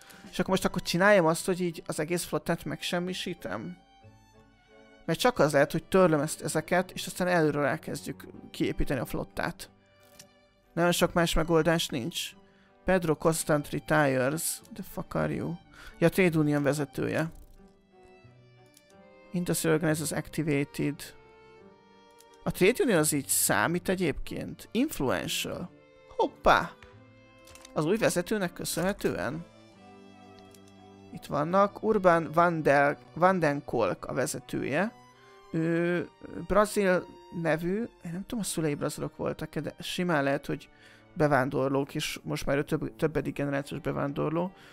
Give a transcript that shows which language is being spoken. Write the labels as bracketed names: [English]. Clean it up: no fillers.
[Hungarian] És akkor most akkor csináljam azt, hogy így az egész flottát megsemmisítem. Mert csak az lehet, hogy törlöm ezeket, és aztán előről elkezdjük kiépíteni a flottát. Nagyon sok más megoldás nincs. [English] Pedro Constant retires. The fuck are you? [Hungarian] Ja, Trade Union vezetője. [English] Industrial Organize is activated. [Hungarian] A Trade Union az így számít egyébként. Influential. Hoppá! Az új vezetőnek köszönhetően. Itt vannak. Urban Vandenkolk a vezetője. Ő brazil nevű, én nem tudom, a szülei brazilok voltak, de simán lehet, hogy bevándorlók, és most már ő többedik generációs bevándorló.